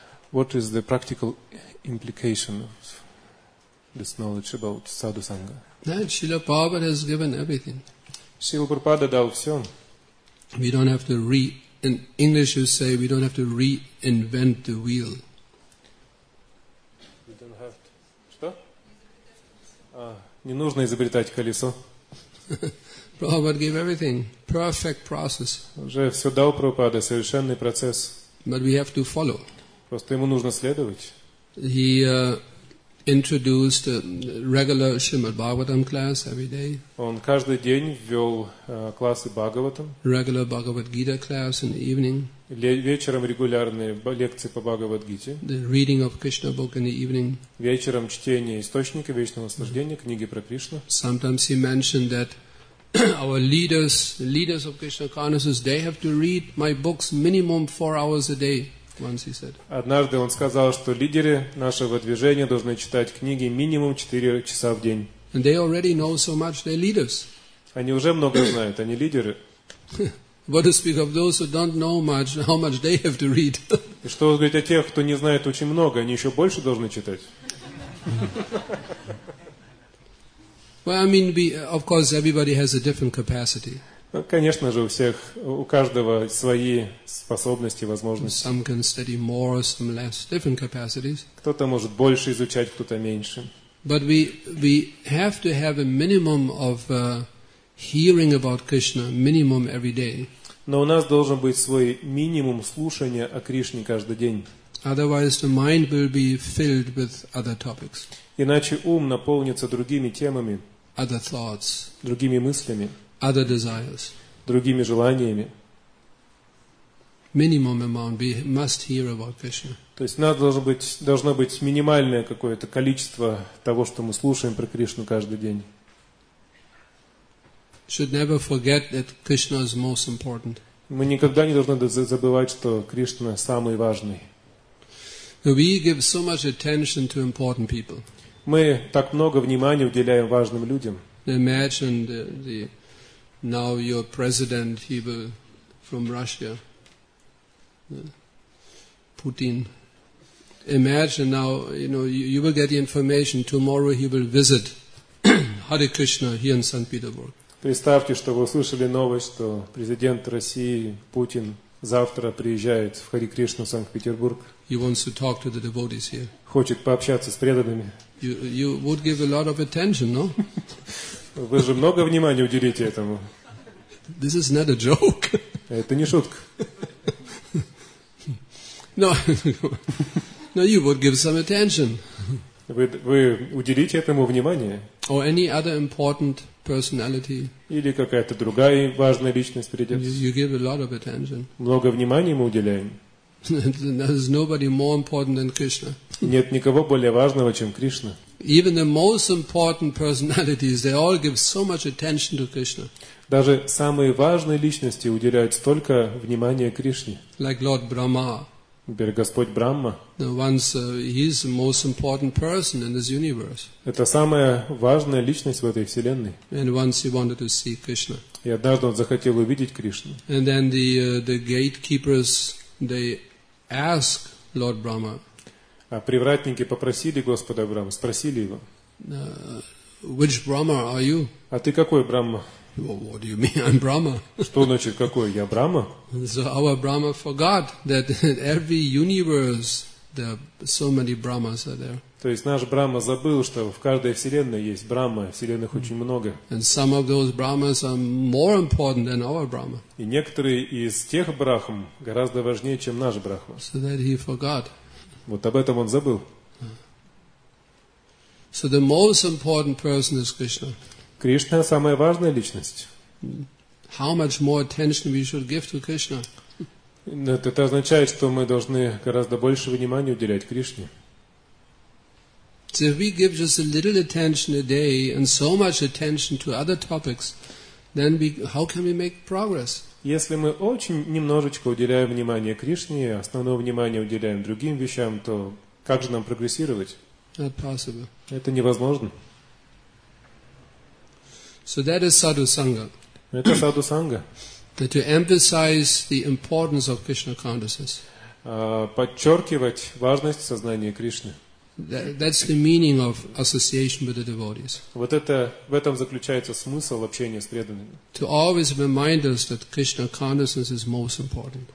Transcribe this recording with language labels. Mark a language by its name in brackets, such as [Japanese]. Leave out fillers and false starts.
[English] What is the practical implication of this knowledge about Sadhu Sangha? Srila Prabhupada has given everything. [Russian] Srila Prabhupada дал все. [English] We don't have to in English you say, we don't have to reinvent the wheel. We don't have to. [Russian] Что? Не нужно изобретать колесо. [English] Prabhupada gave everything. Perfect process. [Russian] Уже все дал Прабхупада, совершенный процесс. [English] But we have to follow. [Russian] Просто ему нужно следовать. [English] He introduced a regular Srimad Bhagavatam class every day. [Russian] Он каждый день ввел классы Бхагаватам. [English] Regular Bhagavad Gita class in the evening. [Russian] Вечером регулярные лекции по Бхагавад-гите. [English] The reading of Krishna book in the evening. [Russian] Вечером чтение источника вечного наслаждения, книги про Кришну. [English] Sometimes he mentioned that our leaders, the leaders of Krishna consciousness, they have to read my books minimum 4 hours a day. Once he said. [Russian] Однажды он сказал, что лидеры нашего движения должны читать книги минимум 4 часа в день. [English] And they already know so much, they're leaders. [Russian] Они уже много знают, они лидеры. [English] What to speak of those who don't know much, how much they have to read. [Russian] И что говорить о тех, кто не знает очень много, они еще больше должны читать. [English] Well, I mean, of course, everybody has a different capacity. [Russian] Ну, конечно же, у всех, у каждого свои способности, возможности. [English] Some can study more, some less, different capacities. [Russian] Кто-то может больше изучать, кто-то меньше. [English] But we have to have a minimum of hearing about Krishna, minimum every day. [Russian] Но у нас должен быть свой минимум слушания о Кришне каждый день. [English] Otherwise, the mind will be filled with other topics. [Russian] Иначе ум наполнится другими темами. [English] Other thoughts. [Russian] Другими мыслями. [English] Other desires. [Russian] Другими желаниями. [English] Minimum amount we must hear about Krishna. [Russian] То есть у нас должно быть минимальное какое-то количество того, что мы слушаем про Кришну каждый день. [English] Should never forget that Krishna is most important. [Russian] Мы никогда не должны забывать, что Кришна самый важный. [English] We give so much attention to important people. [Russian] Мы так много внимания уделяем важным людям. [English] Imagine the now your president, he will from Russia, Putin. Imagine now, you know, you will get the information tomorrow. He will visit Hare Krishna here in St. Petersburg. [Russian] Представьте, что вы услышали новость, что президент России Путин завтра приезжает в Хари Кришну, Санкт-Петербург. [English] He wants to talk to the devotees here. [Russian] Хочет пообщаться с преданными. [English] You would give a lot of attention, no? [Russian] Вы же много внимания уделите этому. [English] This is not a joke. [Russian] Это не шутка. [English] No, you would give some attention. [Russian] Вы уделите этому внимание? [English] Or any other important personality? [Russian] Или какая-то другая важная личность придет? [English] You give a lot of attention. [Russian] Много внимания мы уделяем. [English] There's nobody more important than Krishna. [Russian] Нет никого более важного, чем Кришна. [English] Even the most important personalities, they all give so much attention to Krishna. [Russian] Даже самые важные личности уделяют столько внимания Кришне. [English] Like Lord Brahma. [Russian] Например, Господь Брахма. [English] He is the most important person in this universe. [Russian] Это самая важная личность в этой вселенной. [English] And once he wanted to see Krishna. [Russian] И однажды он захотел увидеть Кришну. [English] And then the gatekeepers, they ask Lord Brahma. [Russian] А привратники попросили Господа Брахму, спросили его. [English] Which Brahma are you? [Russian] А ты какой Брахма? [English] Well, what do you mean? I'm Brahma. [Russian] Что значит какой? Я Брахма? [English] So our Brahma forgot that in every universe there are so many Brahmas are there. [Russian] То есть наш Брахма забыл, что в каждой вселенной есть Брахма, вселенных очень много. [English] And some of those Brahmas are more important than our Brahma. [Russian] И некоторые из тех Брахм гораздо важнее, чем наш Брахма. [English] So that he forgot. [Russian] Вот об этом он забыл. [English] So the most important person is Krishna. [Russian] Кришна – самая важная личность. [English] How much more attention we should give to Krishna? [Russian] Это означает, что мы должны гораздо больше внимания уделять Кришне. [English] So if we give just a little attention a day and so much attention to other topics, then we, how can we make progress? [Russian] Если мы очень немножечко уделяем внимание Кришне, основное внимание уделяем другим вещам, то как же нам прогрессировать? Это невозможно. [English] So that is sadhu sangha. [Russian] Это sadhu sangha. [English] To emphasize the importance of Krishna consciousness. [Russian] Подчеркивать важность сознания Кришны. [English] That's the meaning of association with the devotees. [Russian] Вот это в этом заключается смысл общения с преданными. [English] To always remind us that Krishna consciousness is most important.